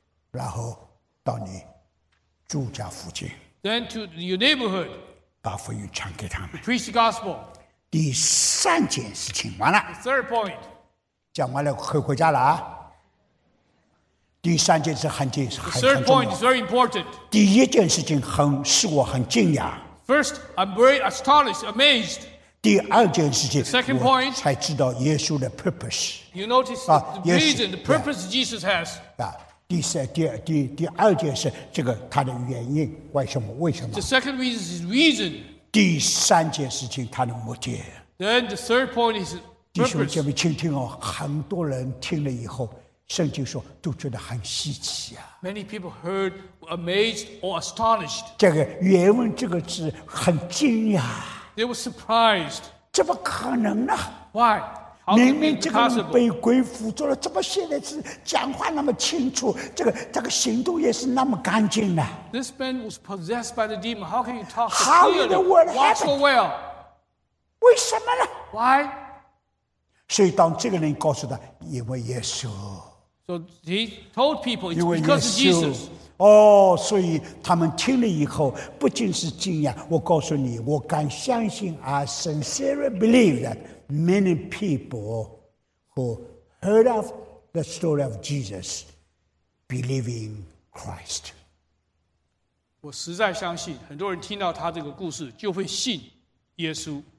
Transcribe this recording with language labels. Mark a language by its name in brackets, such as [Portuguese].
[Chinese] 然后到你住家附近。 [English] Then to your neighborhood. [Chinese] 把福音传给他们。 [English] Preach the gospel. [Chinese] 第三件事情完了。 [English] The third point. [Chinese] 讲完了，可以回家了啊。第三件事很重要。 [English] The third point is very important. [Chinese] 第一件事情使我很惊讶。 [English] First, I'm very astonished, amazed. [Chinese] 第二件事情 [English] second point, [Chinese] 我才知道耶稣的 purpose. [English] You notice the reason, the purpose Jesus has. [Chinese] 第二件事这个他的原因为什么 [English] The second reason is reason. [Chinese] 第三件事情他的目的 [English] Then the third point is purpose. [Chinese] 弟兄姐妹请听哦，很多人听了以后圣经说都觉得很稀奇啊。 [English] Many people heard amazed or astonished. [Chinese] 这个原文这个字很惊讶。 [English] They were surprised. [Chinese] 怎么可能呢 [English] ？Why? [Chinese] 明明这个人被鬼附着了，怎么现在是讲话那么清楚？这个行动也是那么干净呢 [English] ？This man was possessed by the demon. How can you talk so clearly? Why so well? [Chinese] 为什么呢 [English] ？Why？ [Chinese] 所以当这个人告诉他，因为耶稣。 [English] So he told people it's because of Jesus. [Chinese] 哦，所以他们听了以后，不仅是惊讶。我告诉你，我敢相信 ， [English] I sincerely believe that. Many people who heard of the story of Jesus believing Christ. [Chinese] 我实在相信，很多人听到他这个故事就会信耶稣，